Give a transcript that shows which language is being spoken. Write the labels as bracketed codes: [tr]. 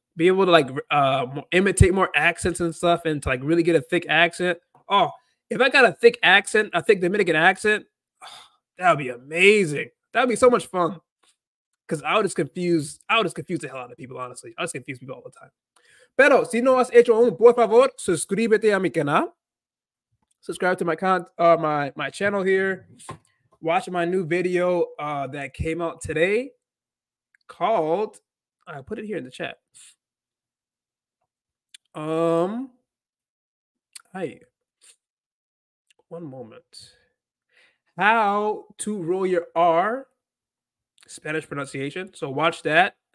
[en] Be able to like imitate more accents and stuff and to like really get a thick accent. Oh. If I got a thick accent, a thick Dominican accent, that would be amazing. That would be so much fun. Because I would just confuse, the hell out of people, honestly. I just confuse people all the time. [es] Pero si no has hecho aún, por favor, suscríbete a mi canal. [en] Subscribe to my my channel here. Watch my new video that came out today called... I put it here in the chat. Hi. One moment. How to roll your R, Spanish pronunciation. So watch that.